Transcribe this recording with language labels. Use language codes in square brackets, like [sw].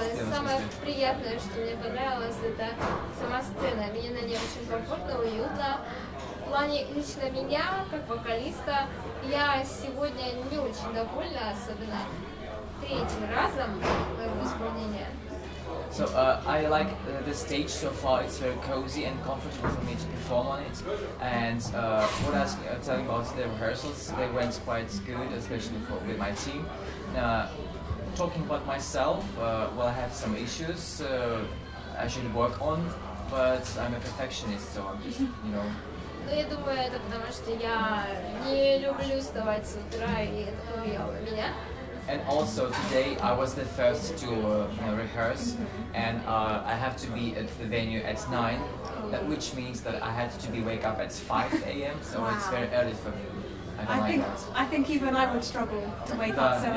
[ru] Самое приятное, что мне понравилось, это сама сцена. Мне на ней очень комфортно, уютно. В плане лично меня, как вокалиста, я сегодня не очень довольна, особенно третьим разом моего исполнения. [en] So I like the stage so far. It's very cozy and comfortable for me to perform on it. And what I was telling about the rehearsals, they went quite good, especially for with my team. Talking about myself, well, I have some issues I should work on, but I'm a perfectionist, so I'm just, you know. [ru] Ну, я думаю, это потому что я не люблю вставать с утра, и это повлияло на меня. [en] And also today I was the first to rehearse, and I have to be at the venue at 9, that which means that I had to be wake up at 5 a.m. So wow. It's very early for me. I think even I would struggle to wake up so early.